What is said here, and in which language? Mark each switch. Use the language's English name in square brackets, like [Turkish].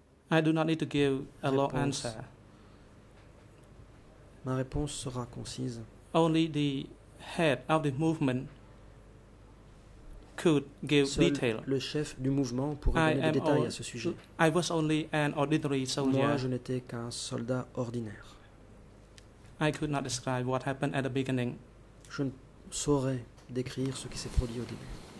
[English] I do not need to give a long answer. [French] Ma réponse sera concise. [English] Only the head of the movement could give [French] seul [English] detail. [French] Le chef du mouvement pourrait donner des détails à ce sujet. [English] I was only an ordinary soldier. [French] Moi, je n'étais qu'un soldat ordinaire. [English] I could not describe what happened at the beginning. [French] Je ne saurais décrire ce qui s'est produit au début.